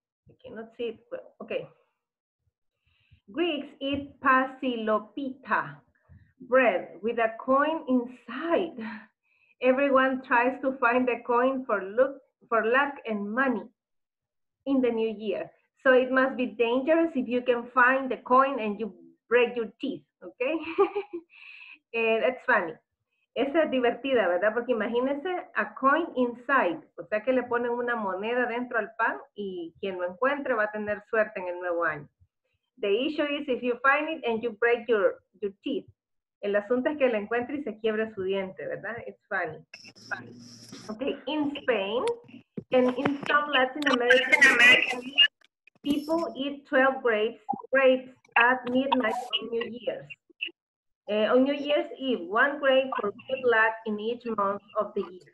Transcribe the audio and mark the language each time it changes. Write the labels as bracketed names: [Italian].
[English] I cannot see it well. Okay. Greeks eat pasilopita bread with a coin inside. Everyone tries to find the coin for luck and money in the new year. So it must be dangerous if you can find the coin and you break your teeth. Okay. that's funny. [Spanish] Esa es divertida, ¿verdad? Porque imagínense, [English] a coin inside, [Spanish] o sea que le ponen una moneda dentro al pan y quien lo encuentre va a tener suerte en el nuevo año. [English] The issue is if you find it and you break your teeth. [Spanish] El asunto es que le encuentre y se quiebre su diente, ¿verdad? [English] It's funny. Okay, in Spain and in some Latin American people eat 12 grapes at midnight on New Year's. On New Year's Eve, one grape for good luck in each month of the year.